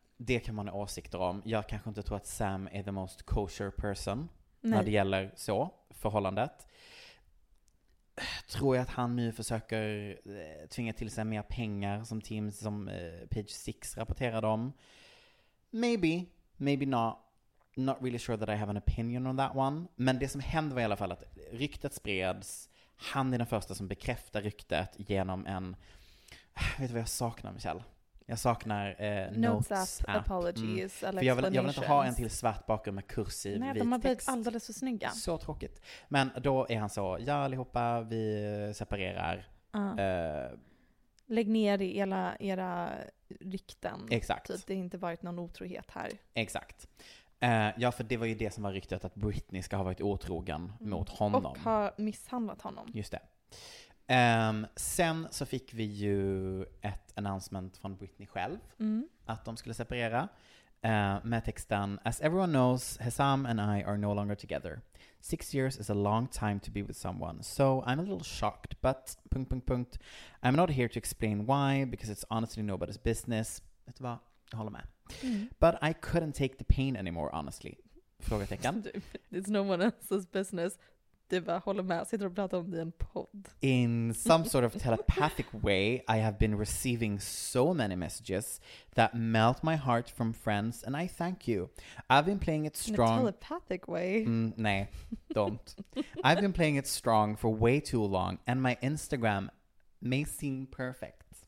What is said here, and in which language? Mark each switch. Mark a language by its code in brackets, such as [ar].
[sv] Det kan man ha åsikter om. Jag kanske inte tror att Sam är [en] the most kosher person. [sv] Nej. När det gäller så, förhållandet. Tror jag att han nu försöker tvinga till sig mer pengar som teams som Page Six rapporterade om? [en] Maybe, maybe not. Not really sure that I have an opinion on that one. [sv] Men det som hände var i alla fall att ryktet spreds. Han är den första som bekräftar ryktet genom en... Vet du vad jag saknar, Michelle? Jag saknar notes app. [en] Apologies, [sv] för jag vill inte ha en till svart bakgrund med kursiv vit text. Nej, de har blivit alldeles för snygga. Så tråkigt. Men då är han så, ja allihopa, vi separerar. Lägg ner era rykten. Exakt. Typ, det har inte varit någon otrohet här. Exakt. Ja, för det var ju det som var ryktet, att Britney ska ha varit otrogen mot honom. Och har misshandlat honom. Just det. Sen så fick vi ju ett announcement från Britney själv att de skulle separera med texten [en] "As everyone knows, Hesam and I are no longer together. 6 years is a long time to be with someone, so I'm a little shocked, but I'm not here to explain why, because it's honestly nobody's business." [sv] Vet du vad? Jag håller med. [en] "But I couldn't take the pain anymore, honestly." [sv] Frågetecken. [en] "It's no one else's business." [sv] Du bara håller med, sitter och pratar om det i en podd. [en] "In some sort of telepathic way, I have been receiving so many messages that melt my heart from friends, and I thank you. I've been playing it strong." In a telepathic way? Nej, don't. "I've been playing it strong for way too long, and my Instagram may seem perfect."